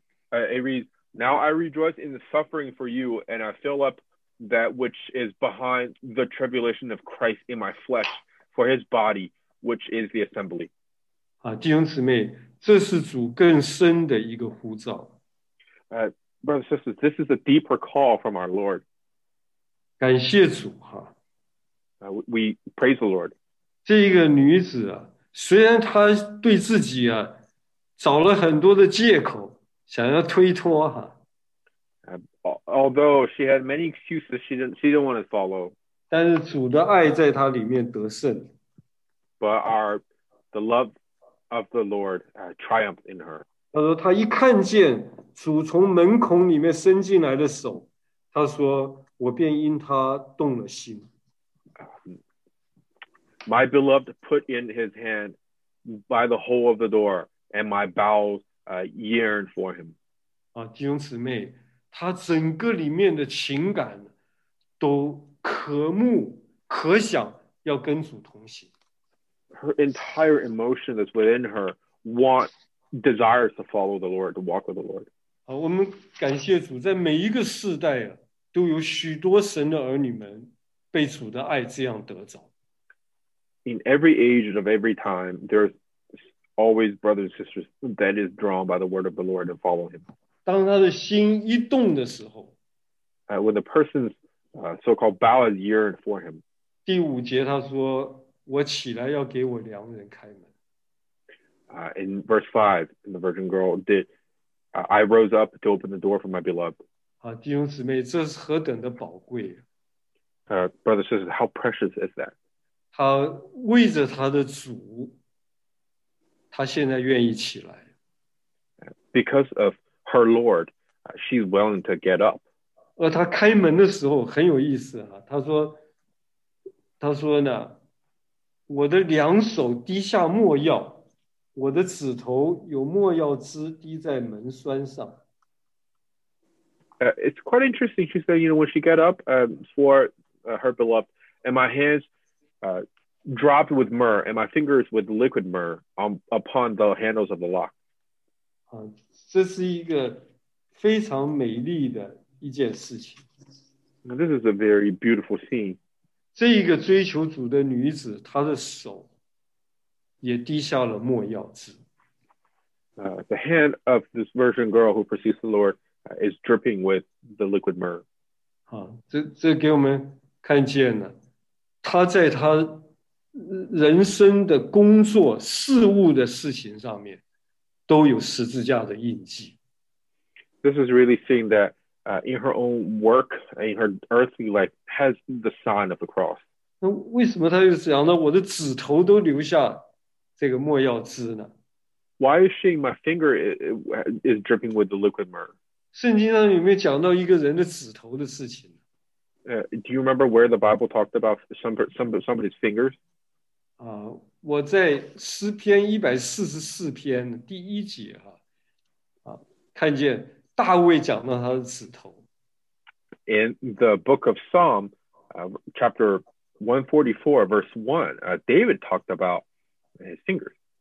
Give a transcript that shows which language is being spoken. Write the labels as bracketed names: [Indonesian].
[English] It reads, Now I rejoice in the suffering for you, and I fill up that which is behind the tribulation of Christ in my flesh for his body, which is the assembly. [Chinese] 弟兄姊妹，这是主更深的一个呼召。 [English] Brothers and sisters, this is a deeper call from our Lord. [Chinese] 感谢主。 [English] We praise the Lord. [Chinese] 这个女子啊，虽然她对自己啊，找了很多的借口，想要推脱。 [English] Although she had many excuses, she didn't want to follow. [Chinese] 但是主的爱在她里面得胜。 [English] But the love of the Lord triumphed in her. [Chinese] 她说她一看见主从门孔里面伸进来的手，她说我便因他动了心。 [English] My beloved put in his hand by the hole of the door, and my bowels. Yearn for him. [Chinese] 弟兄姊妹，他整个里面的情感都渴慕、渴想要跟主同行。 [English] Her entire emotion that's within her desires to follow the Lord, to walk with the Lord. [Chinese] 我们感谢主，在每一个世代都有许多神的儿女们被主的爱这样得着。 [English] In every age of every time, there'sAlways, brothers and sisters, that is drawn by the word of the Lord and follow him. [Chinese] 当他的心一动的时候 [English] When the person's so-called bow is yearned for him. [Chinese] 第五节他说，我起来要给我良人开门。 [English] In verse 5, the virgin girl did, I rose up to open the door for my beloved. [Chinese] 啊，弟兄姊妹，这是何等的宝贵。 [English] Brothers and sisters, how precious is that? [Chinese] 他为着他的主，他现在愿意起来。 [English] Because of her Lord, she's willing to get up. [Chinese] 他开门的时候很有意思啊，他说呢，我的两手滴下墨药，我的指头有墨药汁滴在门栓上。 [English] It's quite interesting. She said, you know, when she got up for her beloved, and my hands dropped with myrrh, and my fingers with liquid myrrh upon the handles of the lock. [Chinese] 这是一个非常美丽的一件事情。 [English] Now, this is a very beautiful scene. [Chinese] 这一个追求主的女子，她的手也滴下了墨药汁。 [English] The hand of this virgin girl who pursues the Lord is dripping with the liquid myrrh. [Chinese] 这给我们看见了，她在她人生的工作事物的事情上面都有十字架的印记。 [English] This is really seeing that in her own work, in her earthly life, has the sign of the cross. [Chinese] 那为什么她又讲呢？我的指头都留下这个墨药汁呢？ [English] Why is she, my finger is dripping with the liquid myrrh? [Chinese] 圣经上有没有讲到一个人的指头的事情？ [English] Do you remember where the Bible talked about somebody's fingers? [Chinese] 我在诗篇144篇第一节看见大卫讲到他的指头。 [English] In the book of Psalm, chapter 144, verse 1, David talked about his fingers.